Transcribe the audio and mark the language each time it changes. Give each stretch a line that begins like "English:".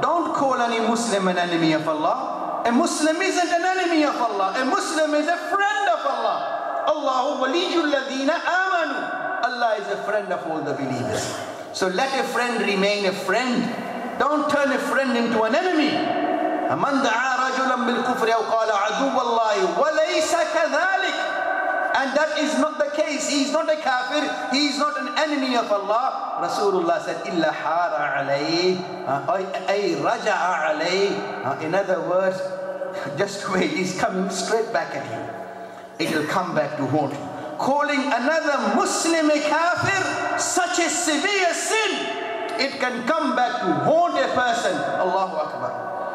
English: Don't call any Muslim an enemy of Allah. A Muslim isn't an enemy of Allah. A Muslim is a friend of Allah.
Arabic: Allah waliyul ladina amanu.
English: Allah is a friend of all the believers. So let a friend remain a friend. Don't turn a friend into an enemy.
Arabic: من دعا رجلا بالكفر أو قال عدو الله وليس كذلك.
English: And that is not the case. He is not a kafir. He is not an enemy of Allah. Rasulullah said,
Arabic: إلا حار عليه. أي رجع عليه.
English: In other words, just wait. He's coming straight back at you. It will come back to haunt you. Calling another Muslim a kafir, such a severe sin, it can come back to haunt a person. Allahu Akbar.